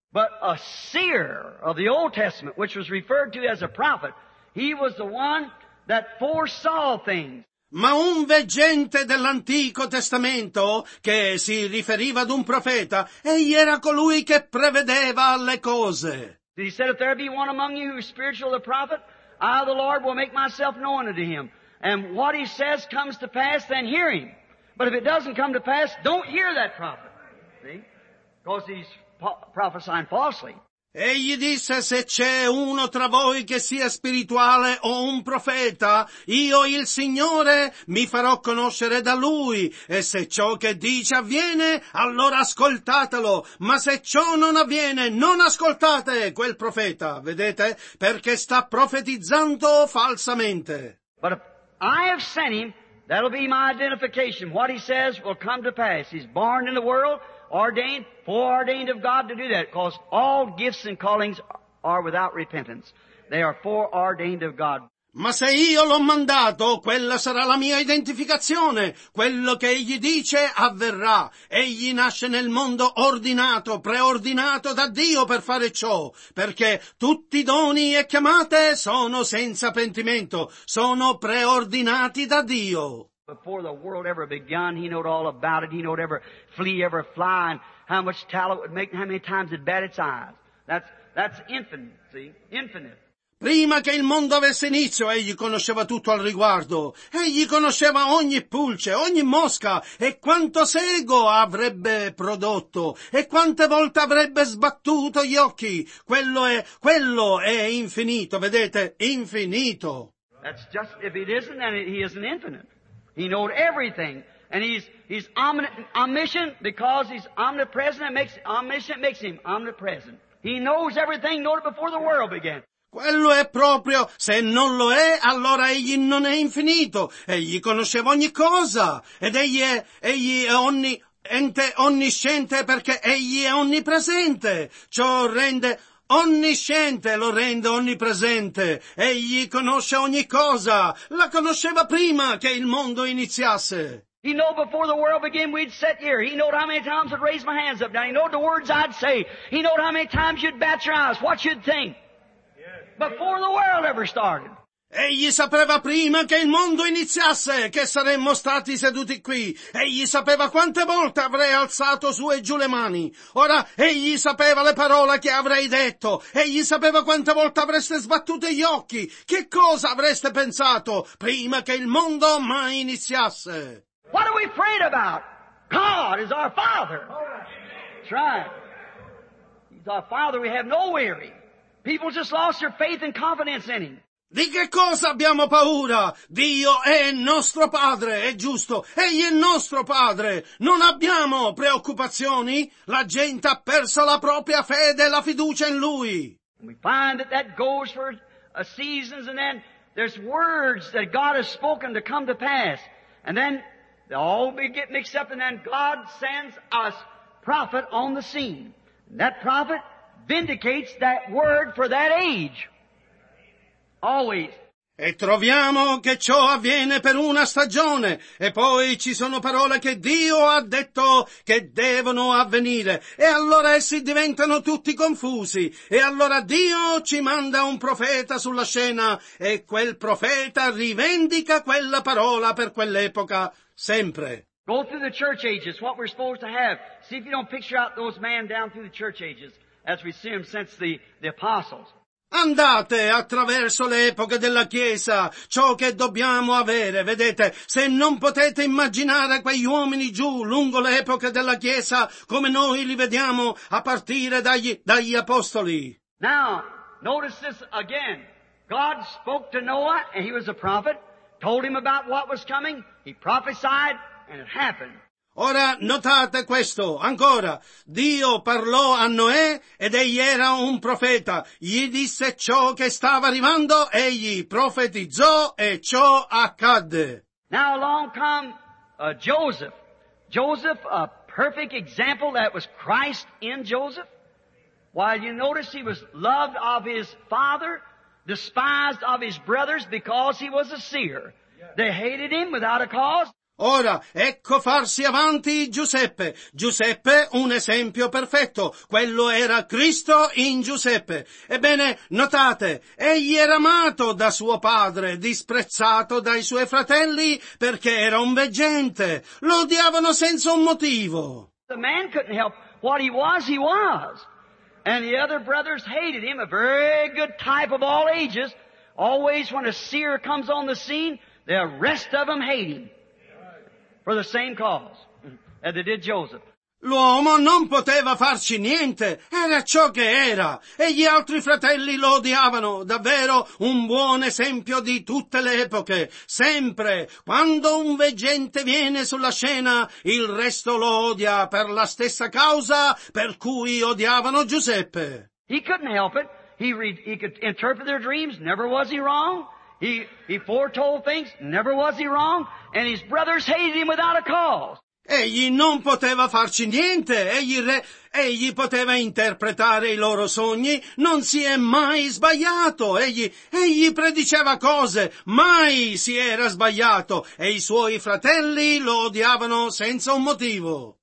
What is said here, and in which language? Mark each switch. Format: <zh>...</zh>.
<en>But a seer of the Old Testament, which was referred to as a prophet, he was the one that foresaw things.</en> <it>Ma un veggente dell'Antico Testamento, che si riferiva ad un profeta, egli era colui che prevedeva le cose.</it> <en>He said, if there be one among you who is spiritual, the prophet, I, the Lord, will make myself known unto him. And what he says comes to pass, then hear him. But if it doesn't come to pass, don't hear that prophet. See? Because he's prophesying falsely.</en> <it>Egli disse, se c'è uno tra voi che sia spirituale o un profeta, io il Signore mi farò conoscere da lui, e se ciò che dice avviene, allora ascoltatelo, ma se ciò non avviene, non ascoltate quel profeta, vedete, perché sta profetizzando falsamente.</it> <en>But if I have sent him, that'll be my identification. What he says will come to pass. He's born in the world. Ordained, foreordained of God to do that, because all gifts and callings are without repentance. They are foreordained of God.</en> <it>Ma se io l'ho mandato, quella sarà la mia identificazione. Quello che egli dice avverrà. Egli nasce nel mondo ordinato, preordinato da Dio per fare ciò. Perché tutti i doni e chiamate sono senza pentimento. Sono preordinati da Dio.</it> <en>Before the world ever begun, he knew all about it. He knew every flea, every fly, and how much talent would make, and how many times it bat its eyes. That's infinite, see? Infinite.</en> <it>Prima che il mondo avesse inizio, egli conosceva tutto al riguardo. Egli conosceva ogni pulce, ogni mosca, e quanto sego avrebbe prodotto, e quante volte avrebbe sbattuto gli occhi. Quello è infinito, vedete? Infinito.</it> <en>That's just, if it isn't, then he isn't infinite. He knows everything, and he's omniscient because he's omnipresent. Omniscient makes him omnipresent. He knows everything, knew it before the world began.</en> <it>Quello è proprio, se non lo è, allora egli non è infinito. Egli conosceva ogni cosa, ed egli è onniente, onnisciente, perché egli è onnipresente. Ciò rende onnisciente, lo rende onnipresente. Egli conosce ogni cosa. La conosceva prima che il mondo iniziasse.</it> <en>He knew before the world began we'd sit here. He knew how many times I'd raise my hands up. Now he knew the words I'd say. He knew how many times you'd bat your eyes. What you'd think. Before the world ever started.</en> <it>Egli sapeva prima che il mondo iniziasse che saremmo stati seduti qui. Egli sapeva quante volte avrei alzato su e giù le mani. Ora, egli sapeva le parole che avrei detto. Egli sapeva quante volte avreste sbattuto gli occhi. Che cosa avreste pensato prima che il mondo mai iniziasse?</it> <en>What are we afraid about? God is our Father. That's right. He's our Father. We have no worry. People just lost their faith and confidence in Him.</en> <it>Di che cosa abbiamo paura? Dio è nostro Padre, è giusto. Egli è nostro Padre. Non abbiamo preoccupazioni? La gente ha perso la propria fede e la fiducia in Lui.</it> <en>We find that that goes for seasons and then there's words that God has spoken to come to pass. And then they all get mixed up and then God sends us prophet on the scene. And that prophet vindicates that word for that age. Always.</en> <it>E troviamo che ciò avviene per una stagione e poi ci sono parole che Dio ha detto che devono avvenire e allora essi diventano tutti confusi e allora Dio ci manda un profeta sulla scena e quel profeta rivendica quella parola per quell'epoca sempre.</it> <en>Go through the church ages, what we're supposed to have. See if you don't picture out those men down through the church ages as we see them since the apostles.</en> <it>Andate attraverso le epoche della Chiesa, ciò che dobbiamo avere, vedete, se non potete immaginare quegli uomini giù lungo le epoche della Chiesa come noi li vediamo a partire dagli apostoli.</it> <en>Now, notice this again. God spoke to Noah, and he was a prophet, told him about what was coming, he prophesied, and it happened.</en> <it>Ora notate questo, ancora, Dio parlò a Noè ed egli era un profeta, gli disse ciò che stava arrivando, egli profetizzò e ciò accadde.</it> <en>Now along come Joseph. Joseph, a perfect example that was Christ in Joseph. While you notice he was loved of his father, despised of his brothers because he was a seer. They hated him without a cause.</en> <it>Ora, ecco farsi avanti Giuseppe. Giuseppe, un esempio perfetto. Quello era Cristo in Giuseppe. Ebbene, notate, egli era amato da suo padre, disprezzato dai suoi fratelli, perché era un veggente. Lo odiavano senza un motivo.</it> <en>The man couldn't help what he was. And the other brothers hated him, a very good type of all ages. Always when a seer comes on the scene, the rest of them hate him. For the same cause as they did Joseph.</en> <it>L'uomo non poteva farci niente, era ciò che era, e gli altri fratelli lo odiavano, davvero un buon esempio di tutte le epoche. Sempre, quando un veggente viene sulla scena, il resto lo odia per la stessa causa per cui odiavano Giuseppe.</it> <en>He couldn't help it. He could interpret their dreams, never was he wrong. He foretold things, never was he wrong, and his brothers hated him without a cause.</en> <it>Egli non poteva farci niente, egli poteva interpretare i loro sogni, non si è mai sbagliato, egli prediceva cose, mai si era sbagliato, e i suoi fratelli lo odiavano senza un motivo.</it>